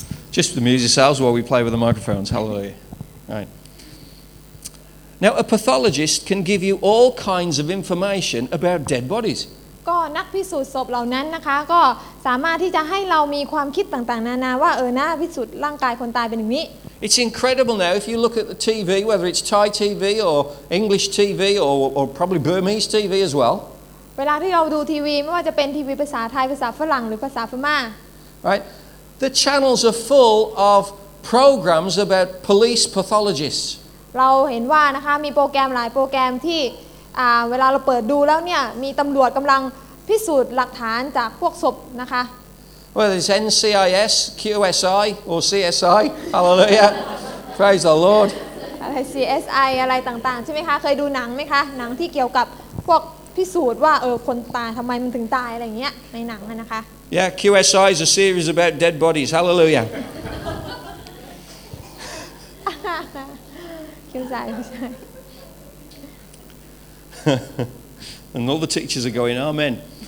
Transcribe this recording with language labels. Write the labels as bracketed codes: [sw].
[en] Just amuse yourselves while we play with the microphones. Hallelujah. Right. Now, a pathologist can give you all kinds of information about dead bodies. [th] ก็นักพิสูจน์ศพเหล่านั้นนะคะก็สามารถที่จะให้เรามีความคิดต่างๆนานาว่าหน้าพิสูจน์ร่างกายคนตายเป็นอย่างนี้ [en] It's incredible now if you look at the TV, whether it's Thai TV or English TV or probably Burmese TV as well. [th] เวลาที่เราดูทีวีไม่ว่าจะเป็นทีวีภาษาไทยภาษาฝรั่งหรือภาษาพม่า [en] Right. The channels are full of programs about police pathologists. [th] เราเห็นว่านะคะมีโปรแกรมหลายโปรแกรมที่เวลาเราเปิดดูแล้วเนี่ยมีตำรวจกำลังพิสูจน์หลักฐานจากพวกศพนะคะ [en] Well, it's NCIS, QSI, or CSI. Hallelujah. Praise the Lord. [th] อะไร CSI อะไรต่างๆใช่ไหมคะเคยดูหนังไหมคะหนังที่เกี่ยวกับพวกพิสูจน์ว่าคนตายทำไมมันถึงตายอะไรอย่างเงี้ยในหนังนะคะ [en] Yeah, QSI is a series about dead bodies. Hallelujah. QSI. And all the teachers are going, Amen.